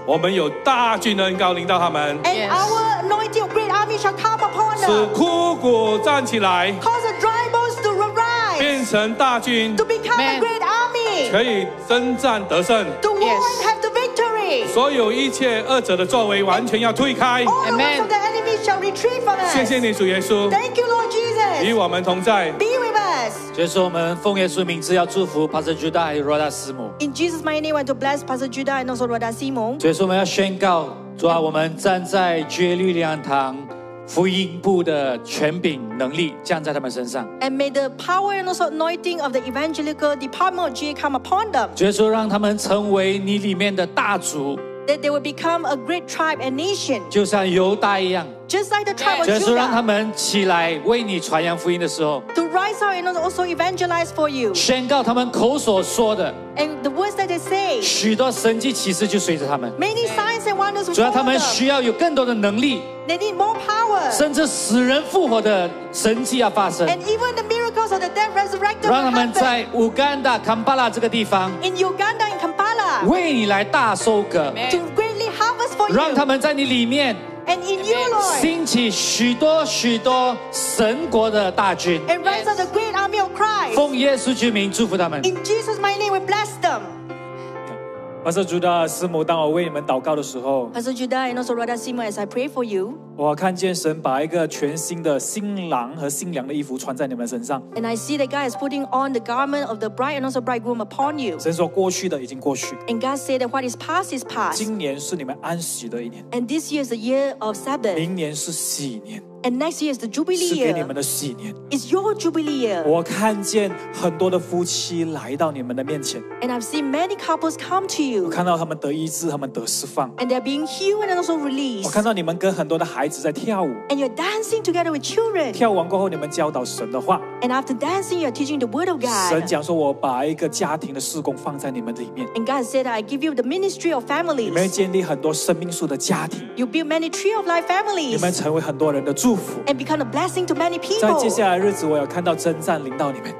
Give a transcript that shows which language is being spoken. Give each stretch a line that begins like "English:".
Chinese: 我们有大军的恩膏临到他们
English: And our anointing of great army shall come upon them
Chinese: 使枯骨站起来
English: Cause the dry bones to arise
Chinese: 变成大军
English: to become a great army
Chinese: 可以征战得胜
English: to war and have the victory
Chinese: 所有一切恶者的作为完全要退开
English: all the works of the enemy shall retreat from us
Chinese: 谢谢你主耶稣
English: thank you Lord Jesus
Chinese: 与我们同在
English: be with us
Chinese: 就是我们奉耶稣名字要祝福 Pastor Judah 和 Roda 师母
English: in Jesus my name I want to bless Pastor Judah and also Roda 师母
Chinese: 就是我们要宣告主啊我们站在绝律粮堂福音部的权柄能力降在他们身上
English: and may the power and also anointing of the evangelical department of GA come upon them
Chinese: 就是说让他们成为你里面的大族
English: that they will become a great tribe and nation
Chinese: 就像犹大一样
English: just like the tribe of Judah
Chinese: 就是说让他们起来为你传扬福音的时候
English: to rise up and also evangelize for you
Chinese: 宣告他们口所说的
English: and the words that they say
Chinese: 许多神迹奇事就随着他们
English: many signs and wonders
Chinese: 主要他们需要有更多的能力
English: They need more power.
Chinese: 甚至死人复活的神迹要发生
English: And even the miracles of the dead resurrected will happen.
Chinese: 让他们在 Uganda, Kampala 这个地方
English: In Uganda, in Kampala.
Chinese: 为你来大收割
English: To greatly harvest for you.
Chinese: 让他们在你里面
English: And in you, Lord.
Chinese: 兴起许多许多神国的大军
English: And rise up the great army of Christ.
Chinese: 奉耶稣之名祝福他们
English: In Jesus' my name, we bless them.
Chinese: Pastor Judah 师母，当我为你们祷告的时候
English: ，Pastor Judah and also Roda 师母 ，as I pray for you，
Chinese: 我看见神把一个全新的新郎和新娘的衣服穿在你们身上。
English: And I see that God is putting on the garment of the bride and also bridegroom upon you。
Chinese: 神说过去的已经过去。
English: And God said that what is past is past。
Chinese: 今年是你们安息的一年。
English: And this year is the year of Sabbath。
Chinese: 明年是喜年。
English: And next year is the jubilee year.
Chinese: 是给你们的喜年。
English: It's your jubilee year.
Chinese: 我看见很多的夫妻来到你们的面前。
English: And I've seen many couples come to you.
Chinese: 我看到他们得医治，他们得释放。
English: And they're being healed and also released.
Chinese: 我看到你们跟很多的孩子在跳舞。
English: And you're dancing together with children.
Chinese: 跳完过后，你们教导神的话。
English: And after dancing, you're teaching the word of God.
Chinese: 神讲说，我把一个家庭的事工放在你们里面。
English: And God said, I give you the ministry of families.
Chinese: 你们建立很多生命树的家庭。
English: You build many tree of life families.
Chinese: 你们成为很多人的祝福。祝福。
English: And become a blessing to many people.
Chinese: 在接下来的日子，我有看到征战临到你们。